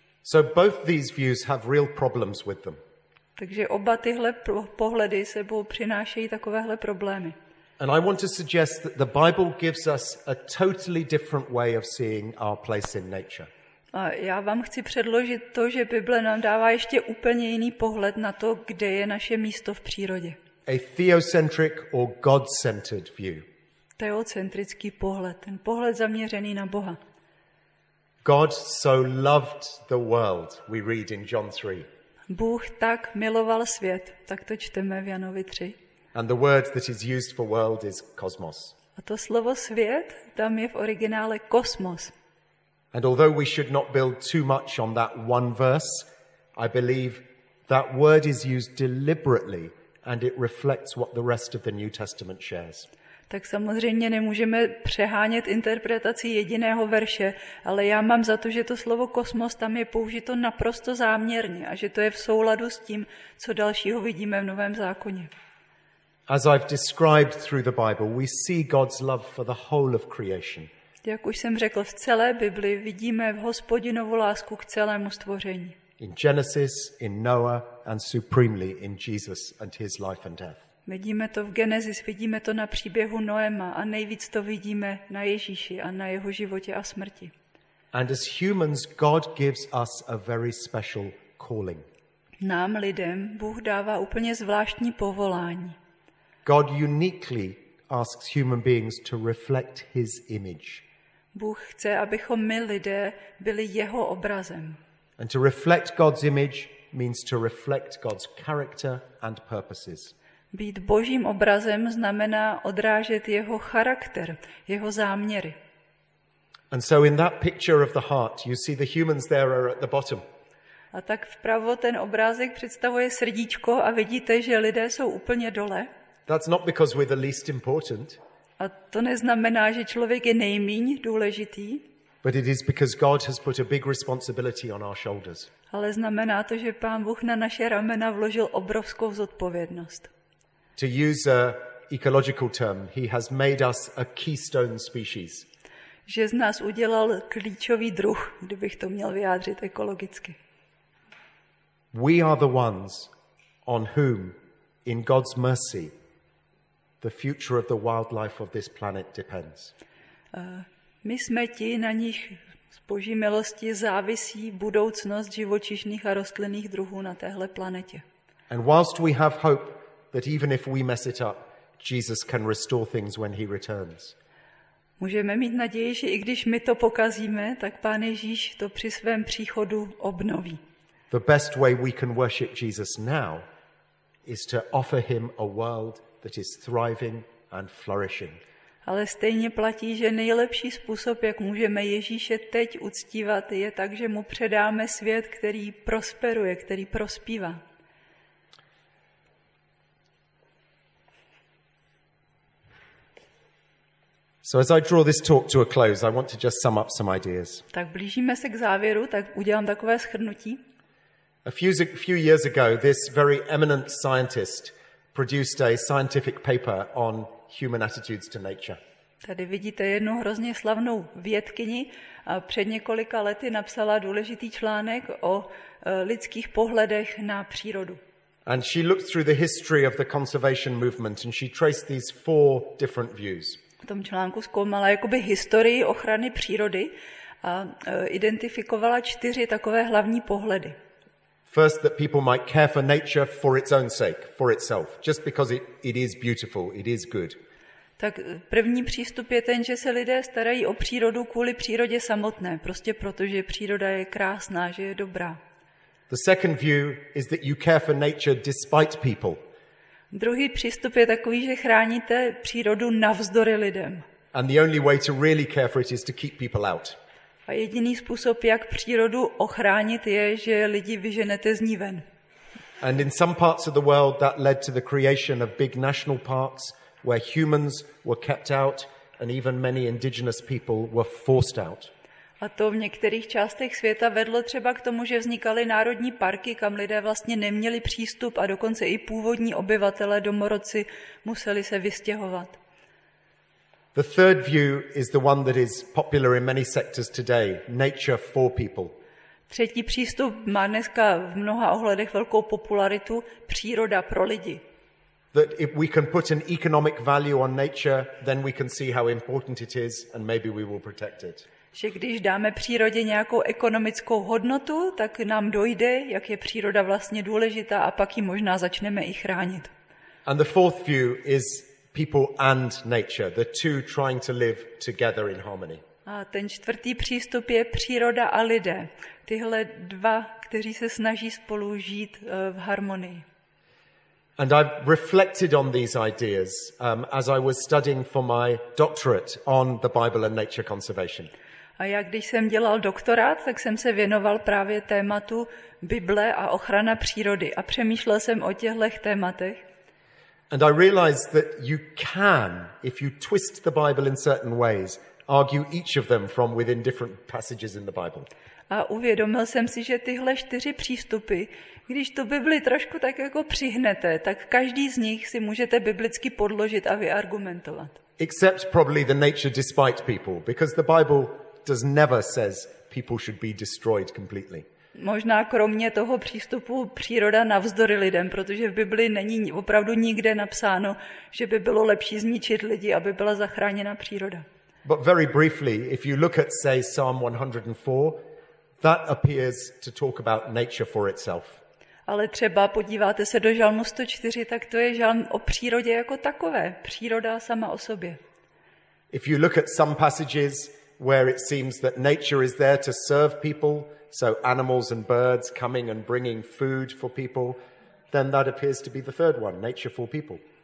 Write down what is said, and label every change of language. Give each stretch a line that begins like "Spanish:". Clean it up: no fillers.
English: So both these views have real problems with them.
Czech: Takže oba tyhle pohledy sebou přinášejí takovéhle problémy.
English: And I want to suggest that the Bible gives us a totally different way of seeing our place in nature.
Czech: A já vám chci předložit to, že Bible nám dává ještě úplně jiný pohled na to, kde je naše místo v přírodě.
English: A theocentric or God-centered view.
Czech: Teocentrický pohled, ten pohled zaměřený na Boha.
English: God so loved the world, we read in John 3.
Czech: Bůh tak miloval svět, tak to čteme v Janovi 3.
English: And the word that is used for world is cosmos.
Czech: A to slovo svět tam je v originále kosmos.
English: And although we should not build too much on that one verse, I believe that word is used deliberately and it reflects what the rest of the New Testament shares.
Czech: Tak samozřejmě nemůžeme přehánět interpretací jediného verše, ale já mám za to, že to slovo kosmos tam je použito naprosto záměrně a že to je v souladu s tím, co dalšího vidíme v Novém zákoně.
English: As I've described through the Bible, we see God's love for the whole of creation.
Czech: Jak už jsem řekl, v celé Bibli vidíme Hospodinovu lásku k celému stvoření.
English: In Genesis, in Noah, and supremely in Jesus and his life and death.
Czech: Vidíme to v Genesis, vidíme to na příběhu Noema a nejvíc to vidíme na Ježíši a na jeho životě a smrti.
English: And as humans, God gives us a very special calling.
Czech: Nám lidem Bůh dává úplně zvláštní povolání.
English: God uniquely asks human beings to reflect his image.
Czech: Bůh chce, abychom my lidé byli jeho obrazem.
English: And to reflect God's image means to reflect God's character and purposes.
Czech: Být Božím obrazem znamená odrážet jeho charakter, jeho záměry.
English: And so in that picture of the heart, you see the humans there are at the bottom.
Czech: A tak vpravo ten obrázek představuje srdíčko a vidíte, že lidé jsou úplně dole.
English: That's not because we're the least important.
Czech: A to neznamená, že člověk je nejmíň důležitý.
English: But it is because God has put a big responsibility on our shoulders.
Czech: Ale znamená to, že Pán Bůh na naše ramena vložil obrovskou zodpovědnost.
English: To use an ecological term, he has made us a keystone species.
Czech: Že z nás udělal klíčový druh, kdybych to měl vyjádřit ekologicky.
English: We are the ones on whom, in God's mercy, the future of the wildlife of this planet depends.
Czech: My jsme ti, na nich z Boží milosti závisí budoucnost živočišných a rostlinných druhů na téhle planetě.
English: And whilst we have hope that even if we mess it up, Jesus can restore things when he returns.
Czech: Můžeme mít naději, že i když my to pokazíme, tak Pán Ježíš to při svém příchodu obnoví.
English: The best way we can worship Jesus now is to offer him a world that is thriving and flourishing.
Czech: Ale stejně platí, že nejlepší způsob, jak můžeme Ježíše teď uctívat, je tak, že mu předáme svět, který prosperuje, který prospívá.
English: So as I draw this talk to a close, I want to just sum up some ideas.
Czech: Tak blížíme se k závěru, tak udělám takové shrnutí.
English: A few years ago, this very eminent scientist produced a scientific paper on human attitudes to nature.
Czech: Tady vidíte jednu hrozně slavnou vědkyni a před několika lety napsala důležitý článek o lidských pohledech na přírodu.
English: And she looked through the history of the conservation movement and she traced these four different views.
Czech: V tom článku zkoumala jakoby historii ochrany přírody a identifikovala čtyři takové hlavní pohledy.
English: First, that people might care for nature for its own sake, for itself, just because it is beautiful, it is good.
Czech: Tak první přístup je ten, že se lidé starají o přírodu kvůli přírodě samotné, prostě protože příroda je krásná, že je dobrá.
English: The second view is that you care for nature despite people.
Czech: Druhý přístup je takový, že chráníte přírodu navzdory lidem.
English: And the only way to really care for it is to keep people out.
Czech: A jediný způsob, jak přírodu ochránit, je, že lidi vyženete z ní ven.
English: And in some parts of the world that led to the creation of big national parks where humans were kept out and even many indigenous people were forced out.
Czech: A to v některých částech světa vedlo třeba k tomu, že vznikaly národní parky, kam lidé vlastně neměli přístup a dokonce i původní obyvatelé, domorodci, museli se vystěhovat.
English: The third view is the one that is popular in many sectors today, nature for people.
Czech: Třetí přístup má dneska v mnoha ohledech velkou popularitu příroda pro lidi.
English: That if we can put an economic value on nature, then we can see how important it is and maybe we will protect it.
Czech: Že když dáme přírodě nějakou ekonomickou hodnotu, tak nám dojde, jak je příroda vlastně důležitá a pak ji možná začneme i chránit.
English: And the fourth view is people and nature, the two trying to live together in harmony.
Czech: A ten čtvrtý přístup je příroda a lidé. Tyhle dva, kteří se snaží spolu žít v harmonii.
English: And I reflected on these ideas as I was studying for my doctorate on the Bible and nature conservation.
Czech: A já, když jsem dělal doktorát, tak jsem se věnoval právě tématu Bible a ochrana přírody a přemýšlel jsem o těchto tématech.
English: And I realized that you can, if you twist the Bible in certain ways, argue each of them from within different passages in the Bible.
Czech: A uvědomil jsem si, že tyhle čtyři přístupy, když tu Bibli trošku tak jako přihnete, tak každý z nich si můžete biblicky podložit a vyargumentovat.
English: Except probably the nature despite people, because the Bible does never says people should be destroyed completely.
Czech: Možná kromě toho přístupu příroda navzdory lidem, protože v Bibli není opravdu nikde napsáno, že by bylo lepší zničit lidi, aby byla zachráněna příroda.
English: But very briefly, if you look at say Psalm 104, that appears to talk about nature for itself.
Czech: Ale třeba podíváte se do žalmu 104, tak to je žalm o přírodě jako takové, příroda sama o sobě.
English: If you look at some passages where it seems that nature is there to serve people, so animals and birds coming and bringing food for people, then that appears to be the third one, nature for people.